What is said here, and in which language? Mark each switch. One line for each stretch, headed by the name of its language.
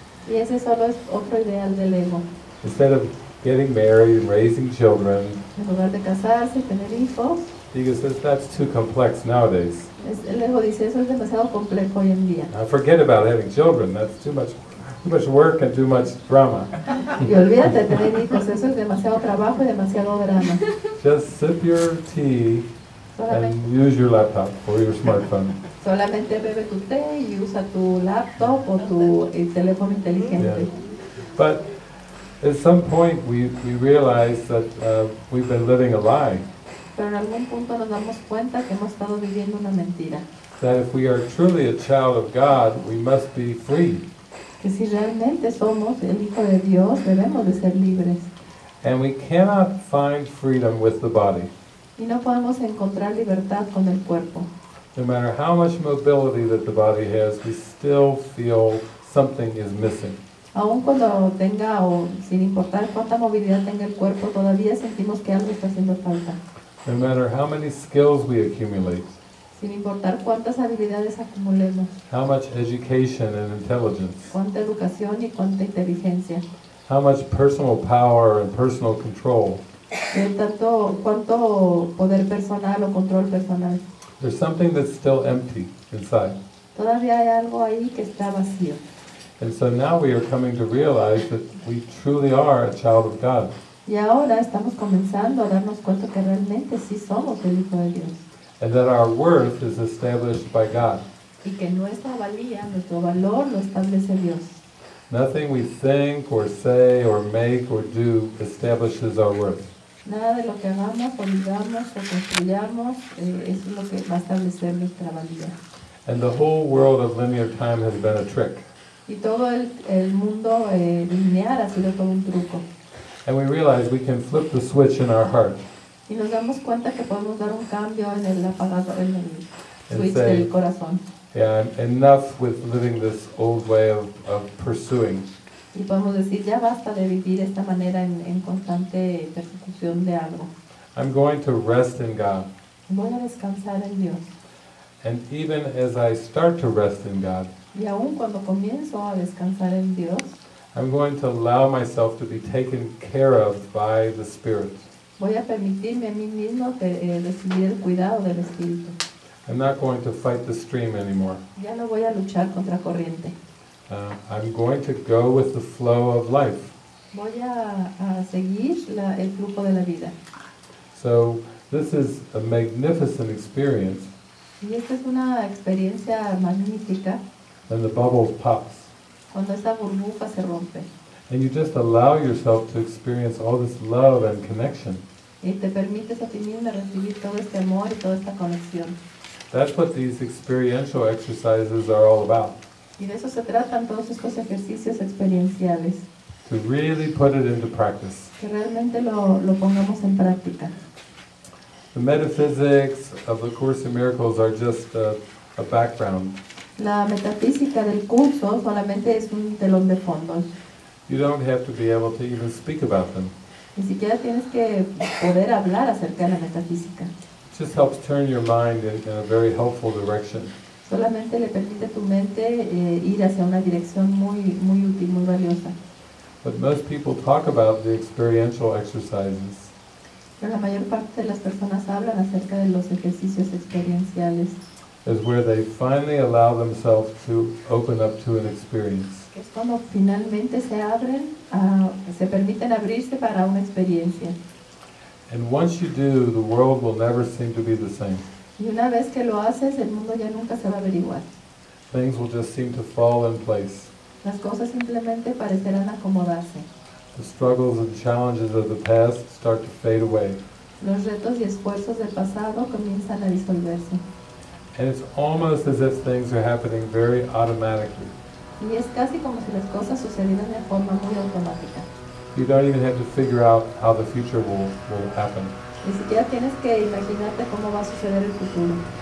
Spanish: Y ese solo es otro ideal del ego.
English: Instead of getting married and raising children,
Spanish: en lugar de casarse y tener hijos,
English: because that's too complex nowadays.
Spanish: El ego dice, eso es demasiado complejo hoy en día.
English: Now forget about having children. That's too much work and too much drama.
Spanish: Y olvídate de tener hijos. Eso es demasiado trabajo y demasiado drama.
English: Just sip your tea and use your laptop or your smartphone.
Spanish: Solamente bebe tu té y usa tu laptop o tu teléfono inteligente.
English: Yeah. But at some point we realize that we've been living a lie.
Spanish: Pero en algún punto nos damos cuenta que hemos estado viviendo una mentira.
English: That if we are truly a child of God, we must be free.
Spanish: Que si realmente somos el hijo de Dios, debemos de ser libres.
English: And we cannot find freedom with the body.
Spanish: Y no podemos encontrar libertad con el cuerpo.
English: No matter how much mobility that the body has, we still feel something is missing.
Spanish: Aun cuando tenga o sin importar cuánta movilidad tenga el cuerpo, todavía sentimos que algo está haciendo falta.
English: No matter how many skills we accumulate.
Spanish: Sin importar cuántas habilidades acumulemos.
English: How much education and intelligence.
Spanish: Cuánta educación y cuánta inteligencia.
English: How much personal power and personal control.
Spanish: Cuánto poder personal o control personal.
English: There's something that's still empty inside.
Spanish: Todavía hay algo ahí que está vacío.
English: And so now we are coming to realize that we truly are a child of God.
Spanish: Y ahora estamos comenzando a darnos cuenta que realmente sí somos el hijo de Dios.
English: And that our worth is established by God.
Spanish: Y que nuestra valía, nuestro valor lo establece Dios.
English: Nothing we think or say or make or do establishes our worth.
Spanish: Nada de lo que hagamos, o digamos, o construyamos, eso es lo que va a establecer nuestra valía.
English: And the whole world of linear time has been a trick.
Spanish: Y todo el mundo lineal ha sido todo un truco.
English: And we realize we can flip the switch in our heart.
Spanish: Y nos damos cuenta que podemos dar un cambio en el aparato, en el switch del corazón.
English: Yeah, enough with living this old way of pursuing.
Spanish: Y podemos decir, ya basta de vivir esta manera en constante persecución de algo.
English: I'm going to rest in God.
Spanish: Voy a descansar en Dios.
English: And even as I start to rest in God,
Spanish: y aun cuando comienzo a descansar en Dios,
English: I'm going to allow myself to be taken care of by the Spirit.
Spanish: Voy a permitirme a mí mismo recibir el cuidado del Espíritu.
English: I'm not going to fight the stream anymore.
Spanish: Ya no voy a luchar contra corriente.
English: I'm going to go with the flow of life.
Spanish: Voy a seguir el flujo de la vida.
English: So this is a magnificent experience.
Spanish: Y esta es una experiencia magnífica.
English: And the bubble pops.
Spanish: Cuando esa burbuja se rompe.
English: And you just allow yourself to experience all this love and connection.
Spanish: Y te permites a ti mismo recibir todo este amor y toda esta conexión.
English: That's what these experiential exercises are all about.
Spanish: Y de eso se tratan todos estos ejercicios experienciales.
English: To really put it into practice.
Spanish: Que realmente lo pongamos en práctica.
English: The metaphysics of the Course in Miracles are just a background.
Spanish: La metafísica del curso solamente es un telón de fondo.
English: You don't have to be able to even speak about them.
Spanish: Ni siquiera tienes que poder hablar acerca de la metafísica.
English: It just helps turn your mind in a very helpful direction.
Spanish: Solamente le permite a tu mente ir hacia una dirección muy, muy útil, muy valiosa.
English: But most people talk about the experiential exercises.
Spanish: Pero la mayor parte de las personas hablan acerca de los ejercicios experienciales.
English: Is where they finally allow themselves to open up to an experience.
Spanish: Es como finalmente se abren, se permiten abrirse para una experiencia.
English: And once you do, the world will never seem to be the same.
Spanish: Y una vez que lo haces, el mundo ya nunca se va a ver igual.
English: Things will just seem to fall in place.
Spanish: Las cosas simplemente parecerán acomodarse.
English: The struggles and challenges of the past start to fade away.
Spanish: Los retos y esfuerzos del pasado comienzan a disolverse.
English: And it's almost as if things are happening very automatically.
Spanish: Y es casi como si las cosas sucedieran de forma muy automática.
English: You don't even have to figure out how the future will happen.
Spanish: Ni siquiera tienes que imaginarte cómo va a suceder el futuro.